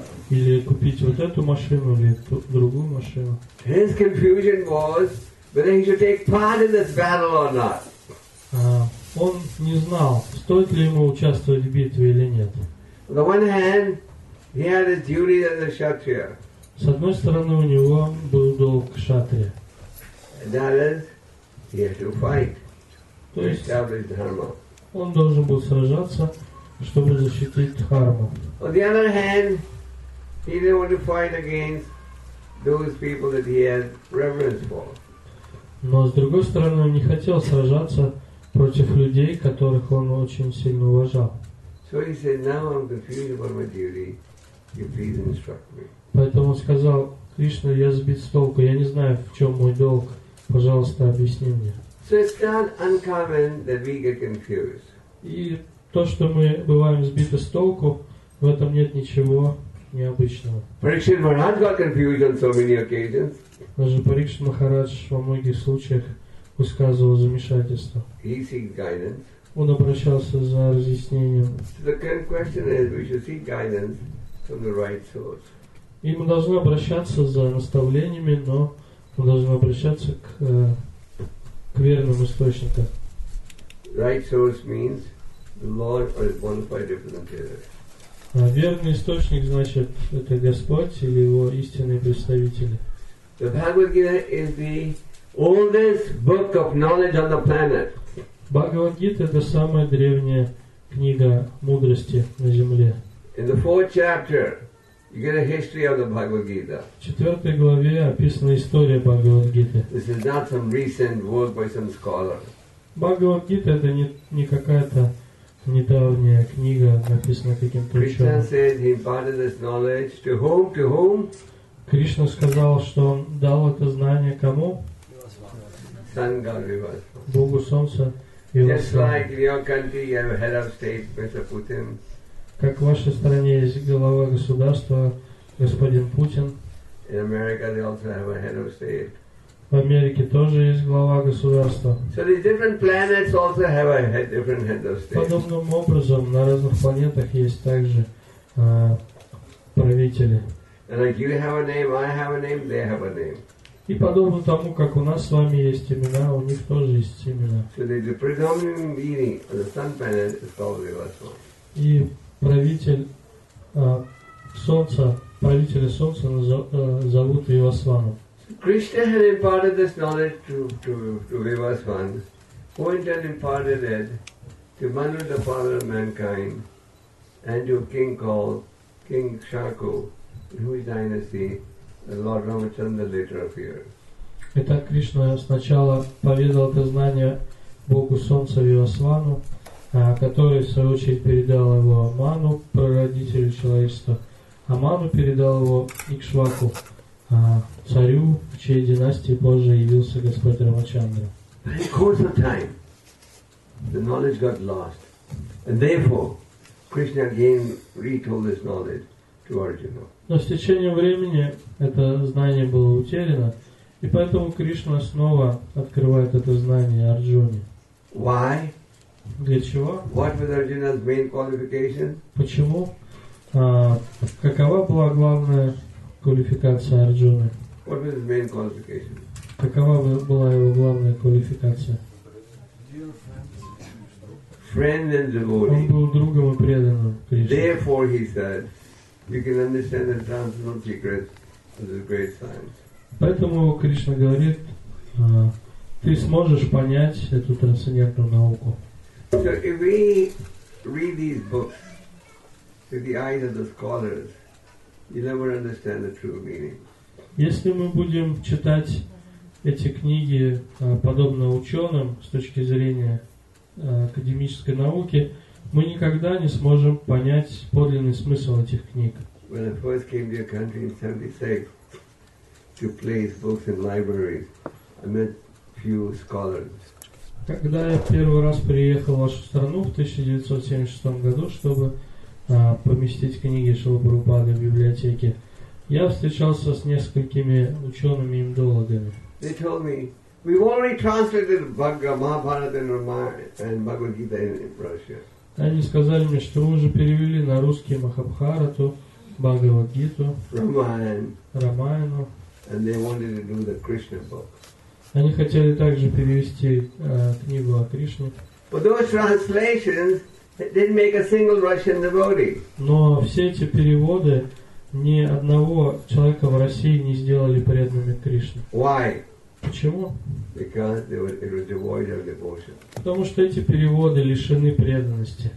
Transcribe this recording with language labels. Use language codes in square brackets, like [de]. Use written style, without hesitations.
[ru] Или купить вот эту машину или другую машину. [en] His confusion was whether he should take part in this battle or not. [ru] Он не знал, стоит ли ему участвовать в битве или нет. [en] On the one hand, he had his duty as a kshatriya. [ru] С одной стороны, у него был долг кшатрия. [en] That is, he had to fight to establish dharma. [ru] Он должен был сражаться, чтобы защитить дхарму. [en] On the other hand, he didn't want to fight against those people that he had reverence for. [ru] Но с другой стороны, он не хотел сражаться против людей, которых он очень сильно уважал. [en] So he said, now I'm confused about my duty. You please instruct me. [ru] Поэтому он сказал, Кришна, я сбит с толку, я не знаю, в чем мой долг. Пожалуйста, объясни мне. [en] So it's not uncommon that we get confused. [ru] И то, что мы бываем сбиты с толку, в этом нет ничего необычного. [en] Parikshit Maharaj got confused on so many occasions. [ru] Даже Парикшит Махарадж во многих случаях высказывал замешательство. [en] He seeks guidance. [ru] Он обращался за разъяснением. [en] So the current question is, we should seek guidance from the right source. [ru] И мы должны обращаться за наставлениями, но мы должны обращаться к верным источникам. [en] Right source means the Lord or one of five different deities. [ru] А верный источник значит это Господь или его истинные представители. [en] The Bhagavad Gita is the oldest book of knowledge on the planet. [ru] Bhagavad Gita это самая древняя книга мудрости на Земле. [en] In the fourth chapter. You get a history of the Bhagavad Gita. [ru] В четвертой главе описана история Бхагавад Гиты. [en] This is not some recent work by some scholar. [ru] Бхагавад Гита это не какая-то недавняя книга, написанная каким-то ученым. [en] Krishna said he imparted this knowledge to whom? To whom? [ru] Кришна сказал, что он дал это знание кому? Сангхарива. Богу Солнца. [en] Just like in your country, you have a head of state, Mr. Putin. [ru] Как в вашей стране есть глава государства, господин Путин. [en] In America they also have a head of state. [ru] В Америке тоже есть глава государства. [en] So these different planets also have a head, different head of state. [ru] Подобным образом на разных планетах есть также правители. [en] And like you have a name, I have a name, they have a name. [ru] И подобно тому, как у нас с вами есть имена, у них тоже есть имена. [en] So the predominant being on the sun planet is probably Vasu. [ru] И правитель солнца, правителя солнца зовут Вивасвана. [en] Krishna had imparted this knowledge to Vivasvana, who in turn imparted it to Manu, the father of mankind, and to a king called King Shaku, in whose dynasty Lord Ramachandra later appeared. [ru] Итак, Кришна сначала поведал это знание Богу Солнца Вивасвану, который, в свою очередь, передал его Ману, прародителю человечества. А Ману передал его Икшваку, царю, в чьей династии позже явился Господь Рамачандра. [en] In the course of time, the knowledge got lost. And therefore, Krishna again retold this knowledge to Arjuna. [ru] Но с течением времени это знание было утеряно, и поэтому Кришна снова открывает это знание Арджуне. [en] Why? [ru] Для чего? [en] What was Arjuna's main qualification? [ru] Почему? Какова была главная квалификация Арджуны? [en] What was his main qualification? [ru] Какова была его главная квалификация? [en] Friend and devotee. [ru] Он был другом и преданным Кришне. [en] Therefore, he said, you can understand the transcendental secrets of this great science. [ru] Поэтому Кришна говорит, ты сможешь понять эту трансцендентную науку. [en] So if we read these books through the eyes of the scholars, you'll never understand the true meaning. [ru] Если мы будем читать эти книги подобно ученым с точки зрения академической науки, мы никогда не сможем понять подлинный смысл этих книг. [en] When I first came to your country in 76 to place books in libraries, I met few scholars. [ru] Когда я первый раз приехал в вашу страну в 1976 году, чтобы поместить книги Шрилы Прабхупады в библиотеке, я встречался с несколькими учеными индологами. [en] They told me, we've already translated Mahabharata and Bhagavad Gita in Russia. [ru] Они сказали мне, что мы уже перевели на русский Махабхарату, Бхагавад Гиту, Рамаяну. [en] And they wanted to do the Krishna book. [ru] Они хотели также перевести книгу о Кришне. [en] But those translations didn't make a single Russian devotee. [ru] Но все эти переводы ни одного человека в России не сделали преданными Кришне. [en] Why? [ru] Почему? [en] Because it was devoid of devotion. [ru] Потому что эти переводы лишены преданности.